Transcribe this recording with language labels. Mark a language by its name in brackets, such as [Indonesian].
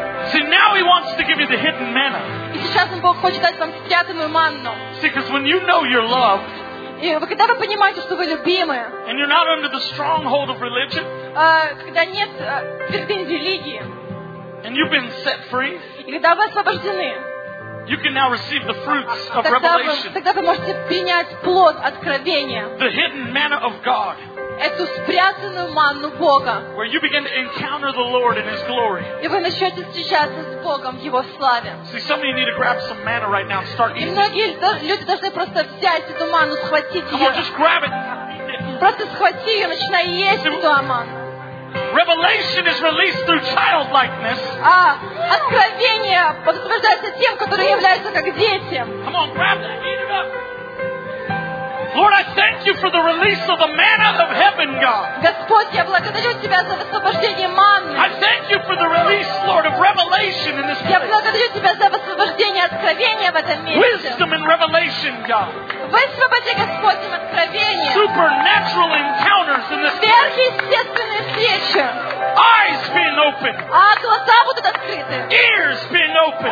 [English] See, now he wants to give you the hidden manna. [Russian] И сейчас Бог хочет дать вам спрятанную манну. [English] See, because when you know you're loved. [Russian] И вы когда вы понимаете, что вы любимые? [English] And you're not under the stronghold of religion. [Russian] Когда нет твердыни религии. [English] And you've been set free. [Russian] И когда вы освобождены. [English] You can now receive the fruits of revelation. [Russian] Тогда вы можете принять плод откровения. [English] The hidden manna of God. [Russian] эту спрятанную манну Бога. [English] Where you begin to encounter the Lord in His glory. [Russian] И вы начнете встречаться с Богом в Его славе. [English] See, some of you need to grab some manna right now and start eating. [Russian] И многие люди должны просто взять эту манну, схватить ее. [English] Come on, just grab it. [Russian] Просто схвати ее, начинай есть эту манну. [English] Revelation is released through childlikeness. [Russian] Откровение подтверждается тем, которые являются как дети. [English] Come on, grab that, eat it up. Lord, I thank you for the release of the manna of heaven, God. [Russian] Господь, я благодарю тебя за освобождение манны. [English] I thank you for the release, Lord, of revelation in this place. [Russian] Я благодарю тебя за освобождение откровения в этом месте. [English] Wisdom and revelation, God. [Russian] Высвободи, Господь, им откровение. [English] Supernatural encounters in this place. [Russian] Сверхъестественные встречи. [English] Eyes being opened. [Russian] А глаза будут открыты. [English] Ears being opened.